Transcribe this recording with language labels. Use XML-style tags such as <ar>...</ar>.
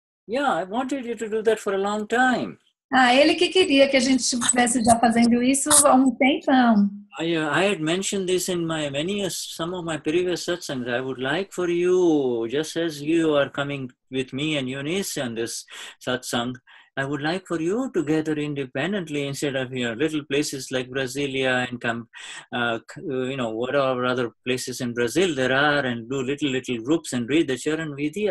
<en>Yeah, I wanted you to do that for a long time.</en> <pt>Ah, ele que queria que a gente estivesse já fazendo isso há um tempão.</pt> <en>I had mentioned this in some of my previous satsangs. I would like for you, just as you are coming with me and Eunice on this satsang, I would like for you to gather independently instead of, you know, little places like Brasilia and whatever other places in Brazil there are, and do little groups and read the Charan Vidhi.</en>